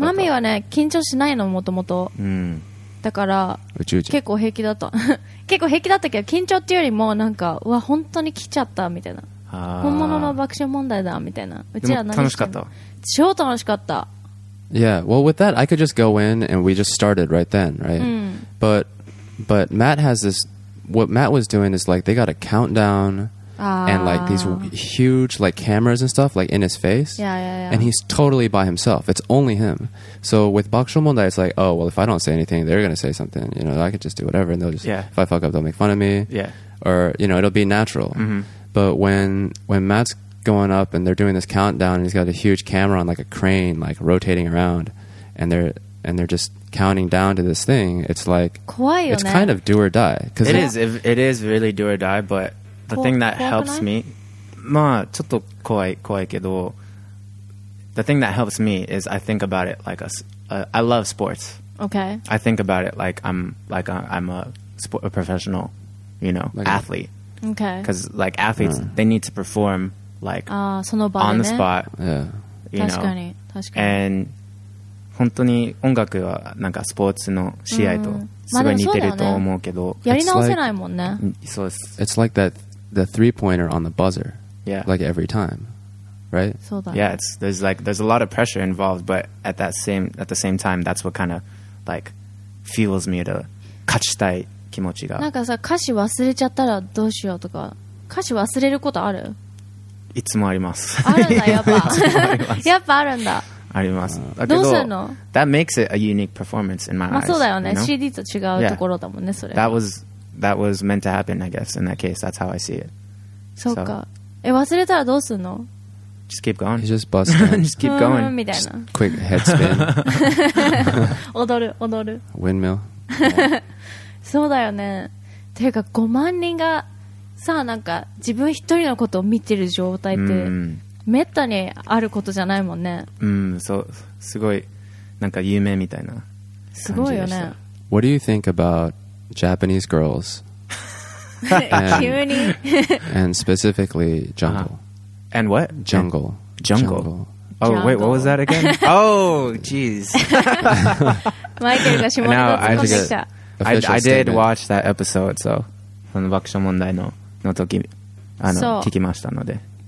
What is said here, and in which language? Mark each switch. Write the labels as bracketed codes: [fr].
[ja] マミはね、緊張しないのもともと。だから結構平気だった。結構平気だったけど、緊張っていうよりもなんか、うわ、本当に来ちゃったみたいな。本物の爆笑問題だみたいな。うちは楽しかった。超楽しかった。 [en] Yeah, well with that I could just go in and we just started right then, right? Mm. But Matt has this, what Matt was doing is like they got a countdown and like these huge like cameras and stuff like in his face. Yeah, yeah, yeah. And he's totally by himself. It's only him. So with Bok Shul Monday it's like, oh well if I don't say anything, they're gonna say something. You know, I could just do whatever and they'll just, yeah, if I fuck up they'll make fun of me. Yeah. Or, you know, it'll be natural. Mm-hmm. But when Matt's going up and they're doing this countdown and he's got a huge camera on like a crane like rotating around and they're just counting down to this thing, it's like, it's kind of do or die. It is, it is really do or die. But the thing that helps me, [ja] まあちょっと怖いけど, [en] the thing that helps me is I think about it like I love sports. Okay. I think about it like I'm a professional, you know, like athlete. Okay. Because like athletes, they need to perform like [ja] その場合ね, [en] on the spot. Yeah. You know? [ja] 確かに。 And 本当に音楽はなんかスポーツの試合とすごい似てると思うけど、やり直せないもんね。そうです。 [en] It's like that, the three pointer on the buzzer. Yeah. Like every time. Right? [ja] そうだ [en] ね。Yeah, there's a lot of pressure involved, but at the same time that's what kind of like fuels me to [ja] 勝ちたい気持ちが。なんかさ、歌詞忘れちゃったらどうしようとか。歌詞忘れることある? いつもあります。あるんだ、やっぱ。やっぱあるんだ。あります。どうするの? [en] That makes it a unique performance in my eyes. [ja] まあそうだよね。 [en] you know? [ja] CD と違うところだもんね、それ。 [en] That was meant to happen, I guess, in that case. That's how I see it. [ja] そうか。え、忘れたらどうするの? [en] Just keep going. He's just busting. Just keep going. [ja] みたいな。 [en] Quick head spin. [ja] 踊る。 [en] Windmill. [ja] そうだよね。ていうか、5万人が、さあなんか自分一人のことを見てる状態ってめったにあることじゃないもんね。そう、すごいなんか有名みたいな感じでした。すごいよね。 [en] What do you think about Japanese girls? and, and specifically jungle. And what? Jungle. Jungle. Jungle. Oh, jungle. Wait, what was that again? Oh, jeez. [ja] Michael が下ネタ突っ込んできた。 [en] I did watch that episode, so from the 爆笑問題の。 [ja] の時あの、so, 聞きましたので、